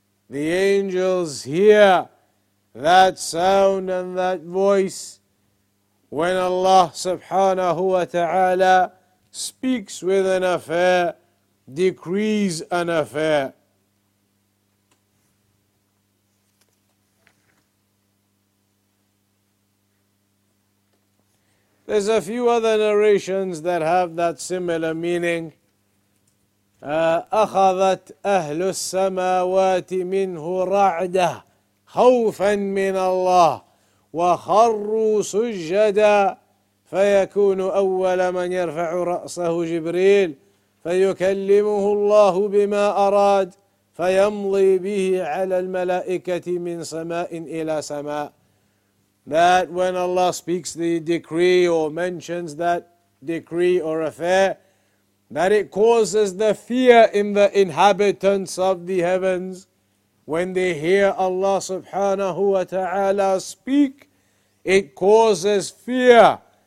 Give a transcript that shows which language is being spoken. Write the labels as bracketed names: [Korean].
[English] The angels hear that sound and that voice when Allah subhanahu wa ta'ala speaks with an affair, decrees an affair. There's a few other narrations that have that similar meaning. [Arabic] أخذت أهل السماوات منه رعدة خوفا من الله وخروا سجدا فيكون أول من يرفع رأسه جبريل فيكلمه الله بما أراد فيمضي به على الملائكة من سماء إلى سماء. [English] That when Allah speaks the decree or mentions that decree or affair, that it causes the fear in the inhabitants of the heavens. When they hear Allah subhanahu wa ta'ala speak, it causes fear